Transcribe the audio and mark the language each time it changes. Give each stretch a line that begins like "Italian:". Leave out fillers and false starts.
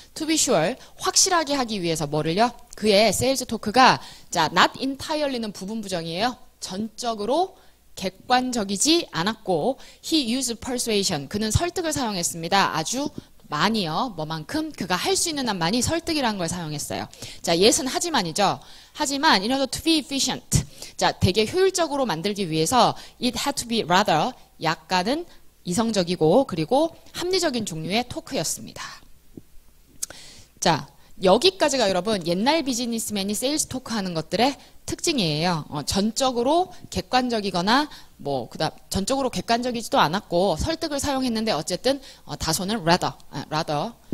English: To be sure,
Korean: 확실하게 하기 위해서 뭐를요? 그의 세일즈 토크가, 자,
English: not entirely
Korean: 는 부분 부정이에요. 전적으로 객관적이지 않았고,
English: he used persuasion.
Korean: 그는 설득을 사용했습니다. 아주 많이요. 뭐만큼? 그가 할수 있는 한 많이 설득이라는 걸 사용했어요. 자, yes은 하지만이죠. 하지만,
English: in order to be efficient.
Korean: 자, 되게 효율적으로 만들기 위해서
English: it had to be rather
Korean: 약간은 이성적이고 그리고 합리적인 종류의 토크였습니다. 자, 여기까지가 여러분 옛날 비즈니스맨이 세일즈 토크하는 것들의 특징이에요. 전적으로 객관적이거나 뭐 그다음 전적으로 객관적이지도 않았고 설득을 사용했는데 어쨌든 다소는 rather.